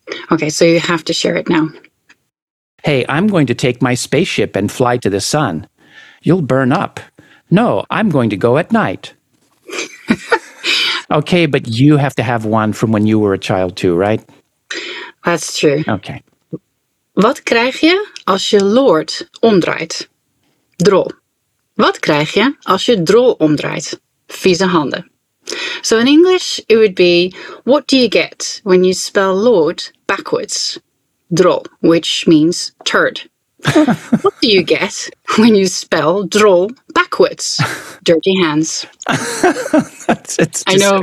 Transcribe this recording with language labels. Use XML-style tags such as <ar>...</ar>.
<en>Okay, so you have to share it now. Hey, I'm going to take my spaceship and fly to the sun. You'll burn up. No, I'm going to go at night. Okay, but you have to have one from when you were a child too, right? That's true. Okay.</en> <nl>Wat krijg je als je Lord omdraait? Drol. Wat krijg je als je drol omdraait? Vieze handen.</nl> <en>So in English, it would be, what do you get when you spell Lord backwards? Drol, which means turd. What do you get when you spell draw backwards? Dirty hands. It's disgusting. I know.</en>